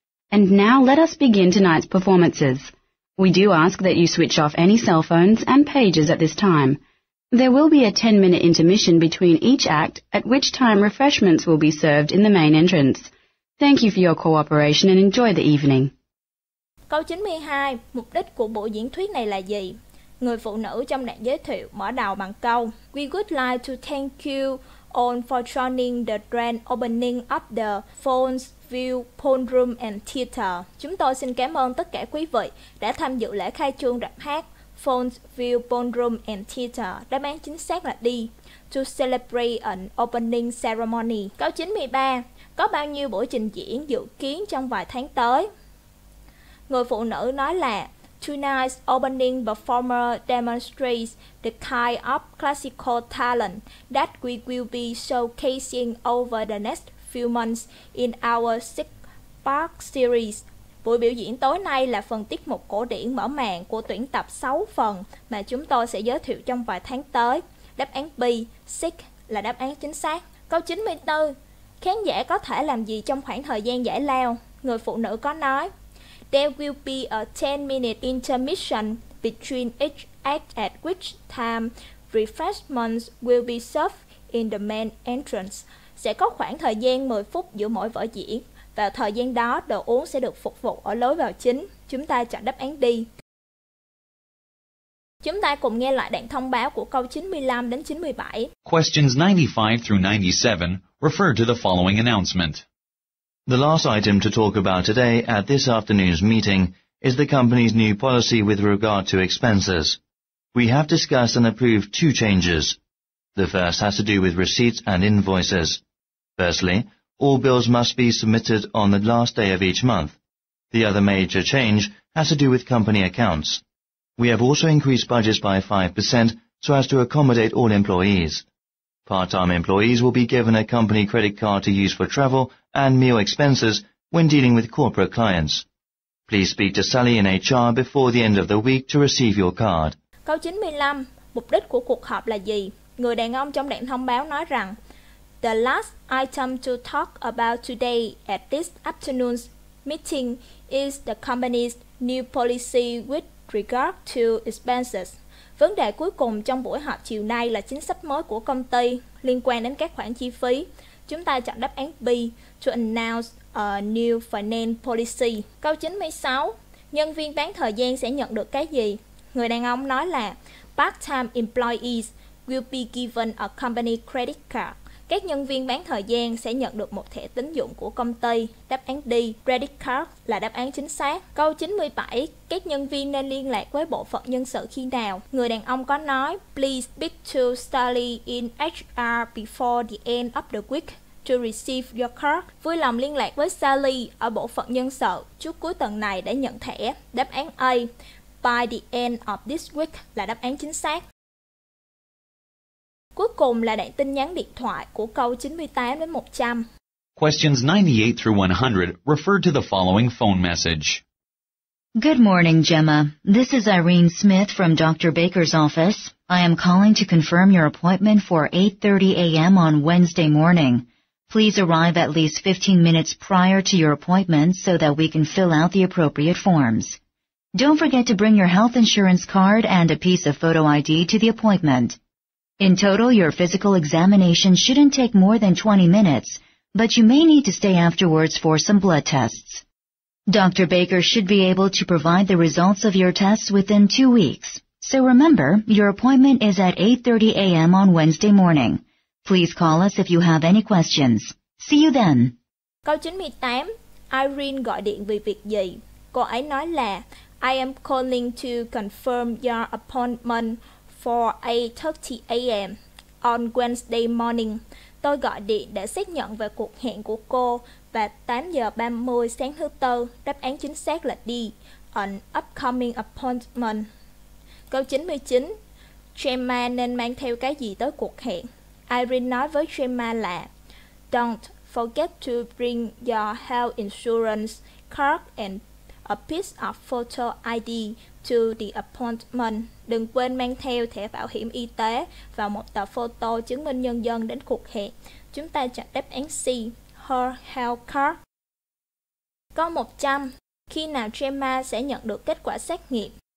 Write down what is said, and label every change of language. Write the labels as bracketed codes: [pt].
[en] And now let us begin tonight's performances. We do ask that you switch off any cell phones and pagers at this time. There will be a 10-minute intermission between each act, at which time refreshments will be served in the main entrance. Thank you for your cooperation and enjoy the evening. [vi] Câu 92. Mục đích của buổi diễn thuyết này là gì? Người phụ nữ trong đoạn giới thiệu mở đầu bằng câu [en] We would like to thank you all for joining the grand opening of the Falls View Ballroom and Theater. [vi] Chúng tôi xin cảm ơn tất cả quý vị đã tham dự lễ khai trương rạp hát Falls View Ballroom and Theater. Đáp án chính xác là D. [en] To celebrate an opening ceremony. [vi] Câu 93. Có bao nhiêu buổi trình diễn dự kiến trong vài tháng tới? Người phụ nữ nói là [en] Tonight's opening performer demonstrates the kind of classical talent that we will be showcasing over the next few months in our six-part series. [vi] Buổi biểu diễn tối nay là phần tiết mục cổ điển mở màn của tuyển tập 6 phần mà chúng tôi sẽ giới thiệu trong vài tháng tới. Đáp án B, six, là đáp án chính xác. Câu 94. Khán giả có thể làm gì trong khoảng thời gian giải lao? Người phụ nữ có nói [en] There will be a 10-minute intermission between each act at which time refreshments will be served in the main entrance. [vi] Sẽ có khoảng thời gian 10 phút giữa mỗi vở diễn. Vào thời gian đó, đồ uống sẽ được phục vụ ở lối vào chính. Chúng ta chọn đáp án D. Chúng ta cùng nghe lại đoạn thông báo của câu 95 đến 97. [en] Questions 95 through 97 refer to the following announcement. The last item to talk about today at this afternoon's meeting is the company's new policy with regard to expenses. We have discussed and approved two changes. The first has to do with receipts and invoices. Firstly, all bills must be submitted on the last day of each month. The other major change has to do with company accounts. We have also increased budgets by 5% so as to accommodate all employees. Part-time employees will be given a company credit card to use for travel and meal expenses when dealing with corporate clients. Please speak to Sally in HR before the end of the week to receive your card. [vi] Câu 95. Mục đích của cuộc họp là gì? Người đàn ông trong đoạn thông báo nói rằng [en] The last item to talk about today at this afternoon's meeting is the company's new policy with regard to expenses. [vi] Vấn đề cuối cùng trong buổi họp chiều nay là chính sách mới của công ty liên quan đến các khoản chi phí. Chúng ta chọn đáp án B, [en] to announce a new finance policy. [vi] Câu 96, nhân viên bán thời gian sẽ nhận được cái gì? Người đàn ông nói là [en] part-time employees will be given a company credit card. [vi] Các nhân viên bán thời gian sẽ nhận được một thẻ tín dụng của công ty. Đáp án D, credit card, là đáp án chính xác. Câu 97, các nhân viên nên liên lạc với bộ phận nhân sự khi nào? Người đàn ông có nói, [en] Please speak to Sally in HR before the end of the week to receive your card. [vi] Vui lòng liên lạc với Sally ở bộ phận nhân sự trước cuối tuần này để nhận thẻ. Đáp án A, [en] by the end of this week, [vi] là đáp án chính xác. Cuối cùng là đoạn tin nhắn điện thoại của câu 98 đến 100. [en] Questions 98 through 100 refer to the following phone message. Good morning, Gemma. This is Irene Smith from Dr. Baker's office. I am calling to confirm your appointment for 8:30 a.m. on Wednesday morning. Please arrive at least 15 minutes prior to your appointment so that we can fill out the appropriate forms. Don't forget to bring your health insurance card and a piece of photo ID to the appointment. In total, your physical examination shouldn't take more than 20 minutes, but you may need to stay afterwards for some blood tests. Dr. Baker should be able to provide the results of your tests within 2 weeks. So remember, your appointment is at 8:30 a.m. on Wednesday morning. Please call us if you have any questions. See you then. [vi] Câu 98. Irene gọi điện vì việc gì? Cô ấy nói là [en] I am calling to confirm your appointment for 8:30 a.m. on Wednesday morning. [vi] Tôi gọi điện để xác nhận về cuộc hẹn của cô vào 8:30 sáng thứ tư. Đáp án chính xác là D, [en] an upcoming appointment. [vi] Câu 99. Gemma nên mang theo cái gì tới cuộc hẹn? Irene nói với Gemma là [en] Don't forget to bring your health insurance card and a piece of photo ID to the appointment. [vi] Đừng quên mang theo thẻ bảo hiểm y tế và một tờ photo chứng minh nhân dân đến cuộc hẹn. Chúng ta chọn đáp án C, [en] her health card. [vi] Câu 100. Khi nào Gemma sẽ nhận được kết quả xét nghiệm?